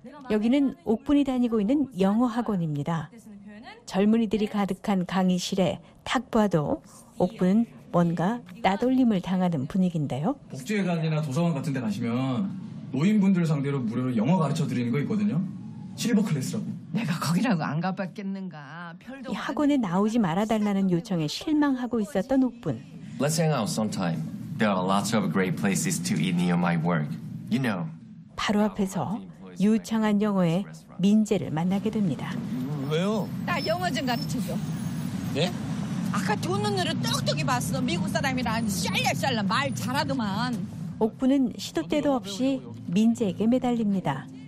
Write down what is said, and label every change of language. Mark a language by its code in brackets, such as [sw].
[ko] 여기는 옥분이 다니고 있는 영어 학원입니다. 젊은이들이 가득한 강의실에 탁 봐도 옥분은 뭔가 따돌림을 당하는 분위기인데요. 복지회관이나 도서관 같은 데 가시면 노인분들 상대로 무료로 영어 가르쳐드리는 거 있거든요. 실버 클래스라고. 내가 거기라고 안 가봤겠는가. 별도 이 학원에 나오지 말아달라는 요청에 실망하고 있었던 옥분. [en] Let's hang out sometime. There are lots of great places to eat near my work. You know. [ko] 바로 앞에서 유창한 영어의 민재를 만나게 됩니다. 왜요? 나 영어 좀 가르쳐줘. 네? 아까 두 눈으로 떡떡이 봤어. 미국 사람이란 샬라샬라 말 잘하더만. 옥분은 시도 때도 없이 민재에게 매달립니다.